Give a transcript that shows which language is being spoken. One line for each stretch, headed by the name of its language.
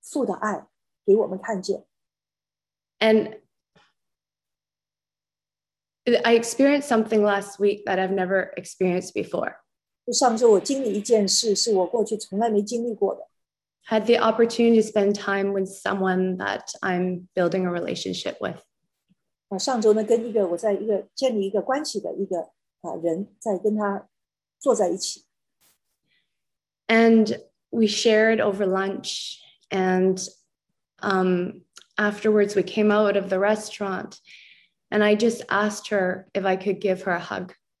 Chinese: 所以主就在我们的面前来彰显了父的爱给我们看见。
English: And I experienced something last week that I've never experienced before.
Chinese: 上周我经历一件事是我过去从来没经历过的。
English: Had the opportunity to spend time with someone that I'm building a relationship with.
Chinese: 上周呢跟一个我在一个建立一个关系的一个人在跟他坐在一起。
English: And we shared over lunch, and afterwards we came out of the restaurant. And I just asked her if I could give her a hug.